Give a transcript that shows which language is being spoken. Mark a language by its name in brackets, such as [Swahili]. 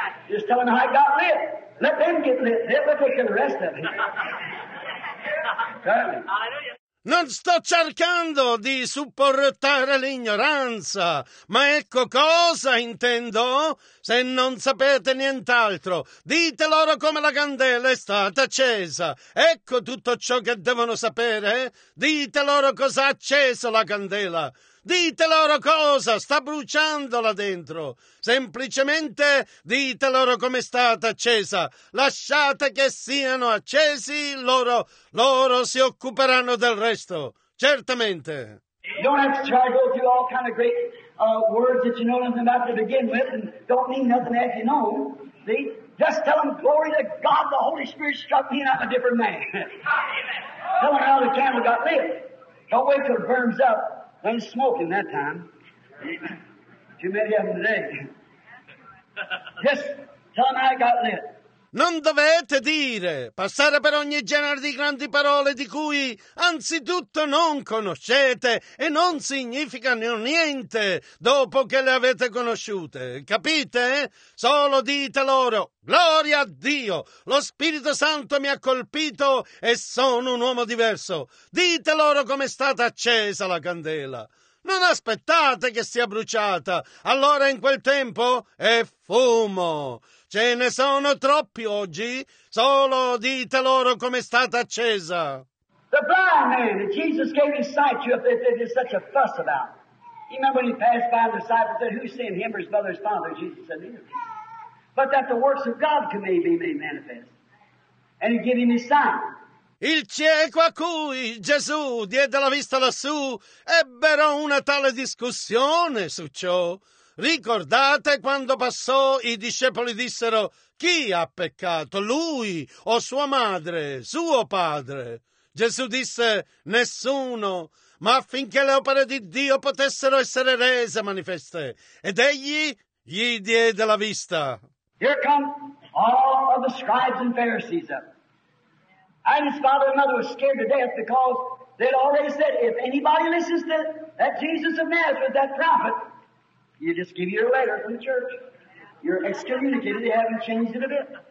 [English] Just tell them how it got lit. Let them get lit. They'll look at the rest of it. Certainly. [Italian] Non sto cercando di supportare l'ignoranza, ma ecco cosa intendo. Se non sapete nient'altro, dite loro come la candela è stata accesa. Ecco tutto ciò che devono sapere. Dite loro cosa ha acceso la candela. Dite loro cosa sta bruciando là dentro. Semplicemente dite loro come è stata accesa. Lasciate che siano accesi, loro si occuperanno del resto. Certamente. [English] You don't have to try to go through all kind of great words that you know nothing about to begin with and don't mean nothing as you know. See? Just tell them, glory to God, the Holy Spirit struck me and I'm a different man. coming out of the candle got lit. Don't wait till it burns up. Then smoking that time. Amen. Too many of them today. Just tell them how it got lit. [Italian] Non dovete dire, passare per ogni genere di grandi parole di cui anzitutto non conoscete e non significano niente dopo che le avete conosciute, capite? Solo dite loro, gloria a Dio, lo Spirito Santo mi ha colpito e sono un uomo diverso. Dite loro com'è stata accesa la candela. Non aspettate che sia bruciata, allora in quel tempo è fumo. Ce ne sono troppi oggi, solo dite loro com'è stata accesa. [English] The blind man that Jesus gave his sight to, if there's such a fuss about. You remember when he passed by the disciples and said, who sinned, him or his mother's father? Jesus said, neither. But that the works of God can be made manifest. And he gave him his sight. [Italian] Il cieco a cui Gesù diede la vista lassù ebbero una tale discussione su ciò. Ricordate quando passò i discepoli dissero chi ha peccato, lui o sua madre, suo padre? Gesù disse nessuno, ma affinché le opere di Dio potessero essere rese manifeste. Ed egli gli diede la vista. [English] Here come all of the scribes and Pharisees up. And his father and mother were scared to death because they'd already said, if anybody listens to that Jesus of Nazareth, that prophet, you just give your letter from the church. You're excommunicated, you haven't changed it a bit.